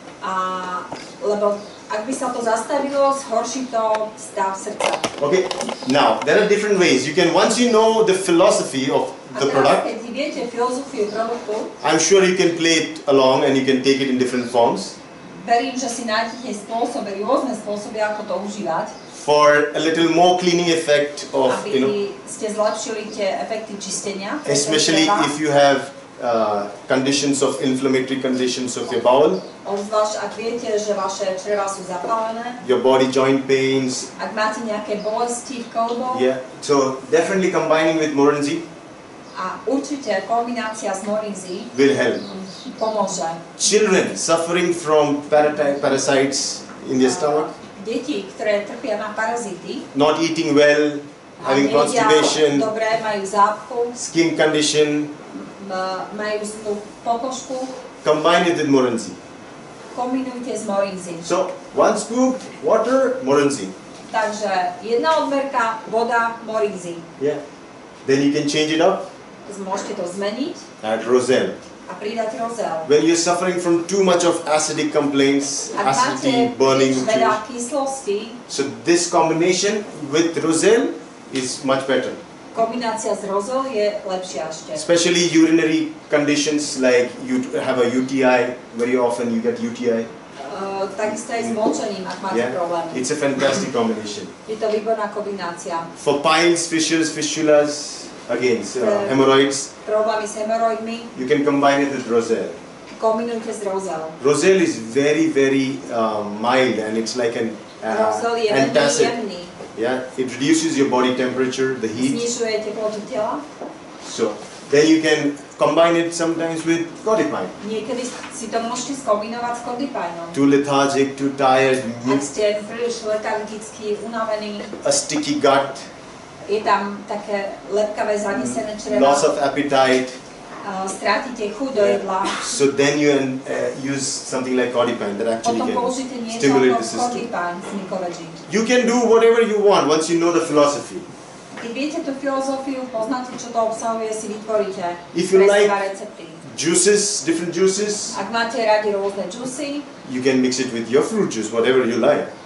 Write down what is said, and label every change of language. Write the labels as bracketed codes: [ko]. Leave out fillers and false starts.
[sk] A lebo ak by sa to zastavilo, zhorší to stav srdca. [en] Okay. Now, there are different ways. You can once you know the philosophy of the product. [sk] Keď viete filozofiu produktu, [en] I'm sure you can play it along and you can take it in different forms. [sk] Verím, že si nájdete spôsoby, rôzne spôsoby, ako to užívať. [en] For a little more cleaning effect of, [sk] aby [en] you know, [sk] ste zlepšili tie efekty čistenia. [en] Especially if you have conditions of inflammatory conditions of your bowel. [sk] Obzvlášť, ak viete, že vaše čreva sú zapálené. [en] Your body joint pains. [sk] Ak máte nejaké bolesti v kolboch. [en] Yeah, so definitely combining with morenzi. [sk] A určite kombinácia s morenzi. [en] Will help. [sk] Pomôže. [en] Children suffering from parasites in their stomach. [sk] Deti, ktoré trpia na parazity, [en] not eating well, having constipation, [sk] dobré, majú zápku, [en] skin condition, [sk] majú zlú pokožku, [en] combine it with morenzi. [sk] Kombinujte s morenzi. [en] So, one scoop, water, morenzi. [sk] Takže, jedna odmerka, voda, morenzi. [en] Yeah. Then you can change it up. [sk] Môžete to zmeniť. [en] Add rozel. [sk] A pridať rozel. [en] When you're suffering from too much of acidic complaints, [sk] ak [en] acidity, burning, [sk] kyslosti, [en] so this combination with rozel is much better. [sk] Kombinácia s rozel je lepšia ešte. [en] Especially urinary conditions like you have a UTI, very often you get UTI. [sk] Takisto aj s močením, ak máte yeah. problémy. [en] It's a fantastic combination. [sk] Je to výborná kombinácia. [en] For piles, fissures, fistulas, again, hemorrhoids. [sk] Problémy s hemoroidmi. [en] You can combine it with rozel. [sk] Kombinujte s rozel. [en] Rozel is very, very mild and it's like an [sk] rozel je [en] antacid. [sk] Veľmi jemný. [en] Yeah, it reduces your body temperature, the heat. [sk] Znižuje teplotu tela. [en] So, then you can combine it sometimes with kodipine. [sk] Niekedy si to môžete skombinovať s kodipinom. [en] Too lethargic, too tired. [sk] Ak ste príliš letargický, unavený. [en] A sticky gut. [sk] Je tam také lepkavé zanesené črevo. [en] Loss of appetite. [sk] stratíte chuť do jedla. [en] So then you use something like codipan that actually can stimulate the system. You can do whatever you want once you know the philosophy. [sk] Keď viete tú filozofiu, poznáte, čo to obsahuje, si vytvoríte recepty. [en] Juices, different juices. [sk] Ak máte radi rôzne juicy, [en] you can mix it with your fruit juice, whatever you like.